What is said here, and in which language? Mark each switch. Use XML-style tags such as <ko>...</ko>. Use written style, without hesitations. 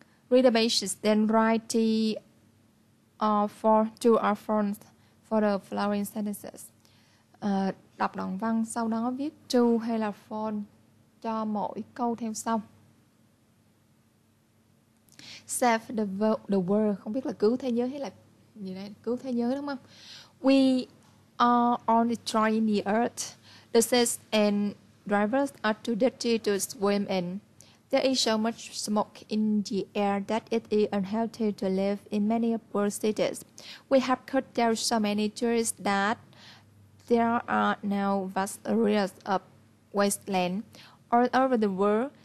<en>Read the pages, then write the for two or four for the following sentences.</en> <vi>Đọc đoạn văn, sau đó viết two hay là four cho mỗi câu theo sau.</vi> <en>Save the world,</en> <vi>không biết là cứu thế giới hay là gì đây, cứu thế giới đúng không?</vi> <en>We are on destroying the earth. The seas and drivers are too dirty to swim in. There is so much smoke in the air that it is unhealthy to live in many poor cities. We have cut down so many trees that there are now vast areas of wasteland all over the world.</en>